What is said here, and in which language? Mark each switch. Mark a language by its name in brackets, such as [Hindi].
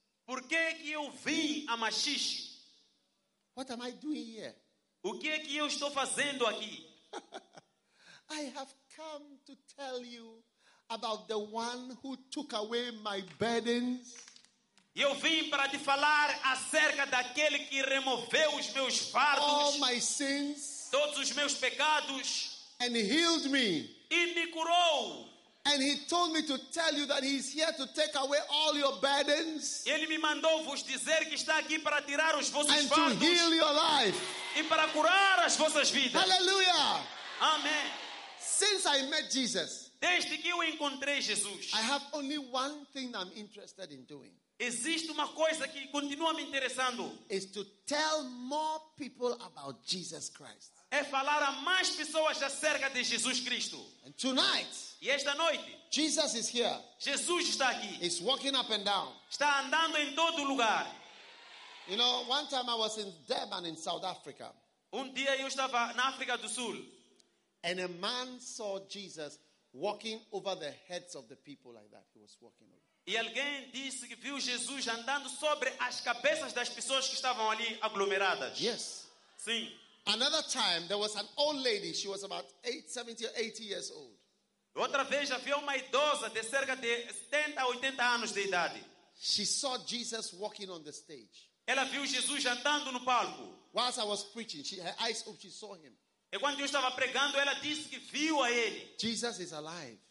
[Portuguese] Por que é que eu vim a Maxixe? [English] What am I doing here? [Portuguese] O que é que eu estou fazendo aqui? [English] I have come to tell you about the one who took away my burdens. [Portuguese] Eu vim para te falar acerca daquele que removeu os meus fardos. [English] All my sins. [Portuguese] Todos os meus pecados. [English] And healed me. [Portuguese] E me curou. [English] And he told me to tell you that he's here to take away all your burdens. [Portuguese] Ele me mandou vos dizer que está aqui para tirar os vossos [English] and [Portuguese] fardos. [English] And to heal your life. [Portuguese] E para curar as vossas vidas. [English] Hallelujah. Amen. Since I met Jesus. [Portuguese] Desde que eu encontrei Jesus. [English] I have only one thing I'm interested in doing. [Portuguese] Existe uma coisa que continua me interessando. [English] Is to tell more people about Jesus Christ. [Portuguese] É falar a mais pessoas acerca de Jesus Cristo. [English] And tonight. [Portuguese] E esta noite. [English] Jesus is here. [Portuguese] Jesus está aqui. [English] He's walking up and down. [Portuguese] Está andando em todo lugar. [English] You know, one time I was in Durban in South Africa. [Portuguese] Dia eu estava na África do Sul. [English] And a man saw Jesus walking over the heads of the people like that. He was walking over. [Portuguese] E alguém disse que viu Jesus andando sobre as cabeças das pessoas que estavam ali aglomeradas. [English] Yes. [Portuguese] Sim. [English] Another time, there was an old lady. She was about 70 or 80 years old. [Portuguese] Outra vez havia uma idosa de cerca de 70 a 80 anos de idade. [English] She saw Jesus walking on the stage. [Portuguese] Ela viu Jesus andando no palco. [English] While I was preaching, her eyes opened, she saw him. [Portuguese] E quando eu estava pregando, ela disse que viu a ele. [English] Jesus is alive.